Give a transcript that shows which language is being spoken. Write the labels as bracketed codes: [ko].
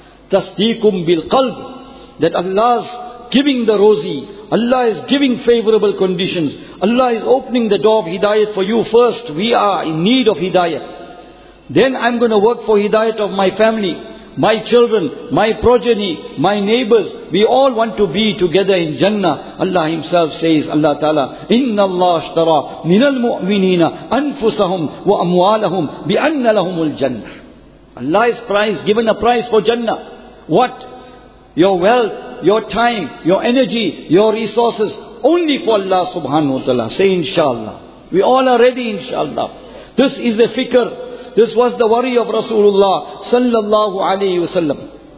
[en] Tasdeekum bil qalb, that Allah is giving the rozi, Allah is giving favorable conditions, Allah is opening the door of hidayat for you first. We are in need of hidayat. Then I'm going to work for hidayat of my family, my children, my progeny, my neighbors. We all want to be together in Jannah. Allah Himself says, Allah Ta'ala, [ar] إِنَّ اللَّهَ اشْتَرَى مِنَ الْمُؤْمِنِينَ أَنفُسَهُمْ وَأَمْوَالَهُمْ بِأَنَّ لَهُمُ الْجَنَّةِ. [en] Allah has priced, given a price for Jannah. What? Your wealth, your time, your energy, your resources, only for Allah subhanahu wa ta'ala. Say inshallah. We all are ready inshallah. This is the fikr. This was the worry of Rasulullah sallallahu alayhi wa sallam.